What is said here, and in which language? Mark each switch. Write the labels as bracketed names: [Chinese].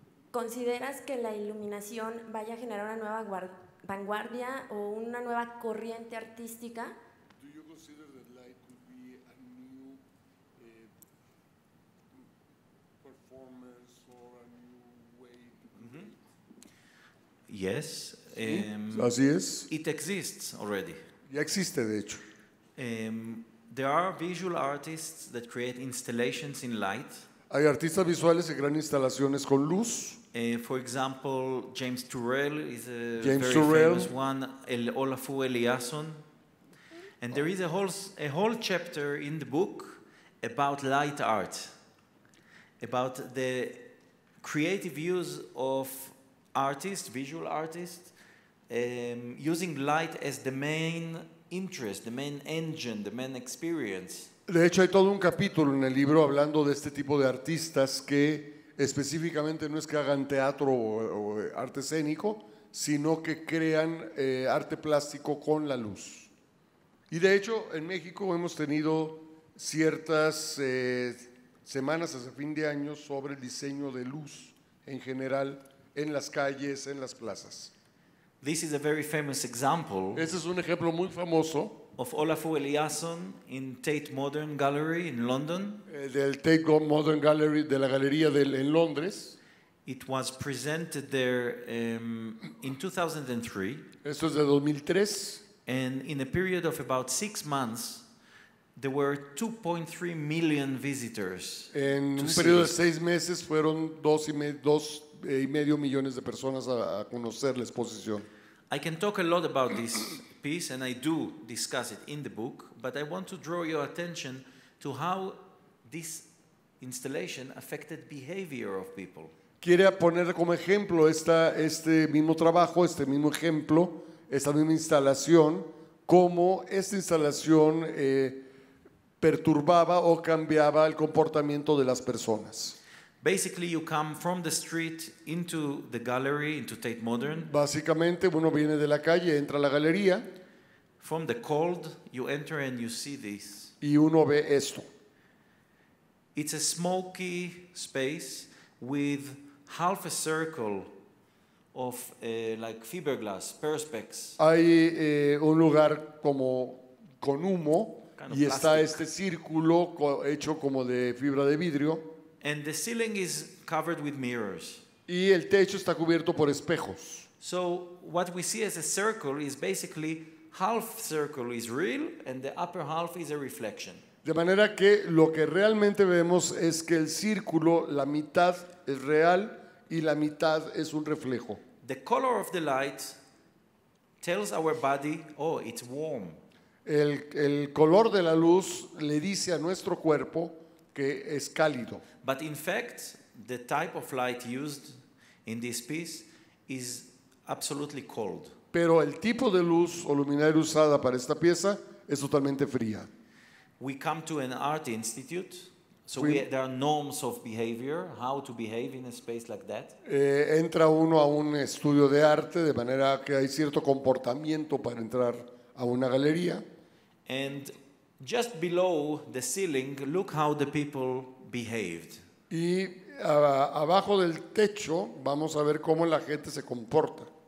[Spanish] ¿Consideras que la iluminación vaya a generar una nueva vanguardia o una nueva corriente artística? [English] Do you consider that light could be a new performance or a new way to create? Mm-hmm. Yes. [Spanish] Así es. [English] It exists already. [Spanish] Ya existe, de hecho. [English] There are visual artists that create installations in light. [Spanish] Hay artistas visuales que crean instalaciones con luz. [English] For example, James Turrell is a James very Turrell. Famous one, El Olafu Eliasson. And there is a whole chapter in the book about light art, about the creative use of artists, visual artists, using light as the main interest, the main engine, the main experience. [Spanish] De hecho, hay todo un capítulo en el libro hablando de este tipo de artistas que específicamente no es que hagan teatro o arte escénico, sino que crean arte plástico con la luz. Y de hecho, en México hemos tenido ciertas semanas hasta fin de año sobre el diseño de luz en general en las calles, en las plazas. [English] This is a very famous example. [Spanish] Este es un ejemplo muy famoso. [English] Of Olafur Eliasson in Tate Modern Gallery in London. [Spanish] Del Tate Modern Gallery, de la galería en Londres. [English] It was presented there in 2003. [Spanish] Esto es de 2003. [English] And in a period of about 6 months, there were 2.3 million visitors. [Spanish] En un periodo de seis meses fueron dos y medio millones de personas a conocer la exposición. [English] I can talk a lot about this piece, and I do discuss it in the book, but I want to draw your attention to how this installation affected behavior of people. [Spanish] Quería poner como ejemplo este mismo trabajo, este mismo ejemplo, esta misma instalación, cómo esta instalación perturbaba o cambiaba el comportamiento de las personas. [English] Basically, you come from the street into the gallery, into Tate Modern. [Spanish] Básicamente, uno viene de la calle, entra a la galería. [English] From the cold, you enter and you see this. [Spanish] Y uno ve esto. [English] It's a smoky space with half a circle of like fiberglass, perspex. [Spanish] Hay un lugar como con humo [English] kind of [Spanish] y está plastic. Este círculo hecho como de fibra de vidrio. [English] And the ceiling is covered with mirrors. [Spanish] Y el techo está cubierto por espejos. [English] So what we see as a circle is basically half circle is real and the upper half is a reflection. [Spanish] De manera que lo que realmente vemos es que el círculo, la mitad es real y la mitad es un reflejo. [English] The color of the light tells our body, oh, it's warm. [Spanish] El color de la luz le dice a nuestro cuerpo que es cálido. [English] But in fact, the type of light used in this piece is absolutely cold. [Spanish] Pero el tipo de luz o luminaria usada para esta pieza es totalmente fría. [English] We come to an art institute, so we, there are norms of behavior, how to behave in a space like that. [Spanish] Entra uno a un estudio de arte, de manera que hay cierto comportamiento para entrar a una galería. [English] And just below the ceiling, look how the people behaved. [Spanish] Y abajo del techo, vamos a ver cómo la gente se comporta.